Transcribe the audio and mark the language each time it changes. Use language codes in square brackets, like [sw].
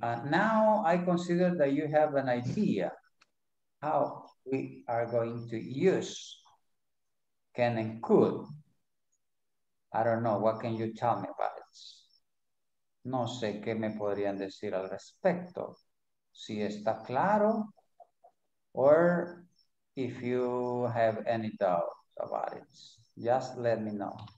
[en] Now I consider that you have an idea how we are going to use can and could. I don't know, what can you tell me about it? [es] No sé qué me podrían decir al respecto. Si está claro, [en] or if you have any doubt about it, just let me know.